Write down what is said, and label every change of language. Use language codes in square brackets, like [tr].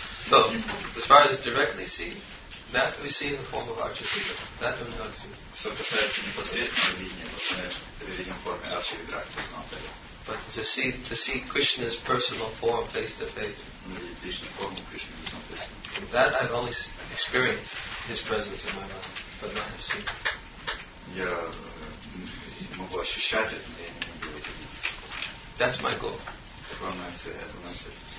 [en] So, as far as directly seeing, that we see in the form of Archidra. That we don't see. [ru] Что касается непосредственного видения, то это видим в форме Archidra. [en] But to see Krishna's personal form face to face. [ru] Личную форму Кришны лицом к лицу. [en] That I've only experienced his presence in my life, but not have seen. [ru] Я могу ощущать это, но я не могу это видеть. [en] That's my goal. [ru] Главное цель, это моя цель.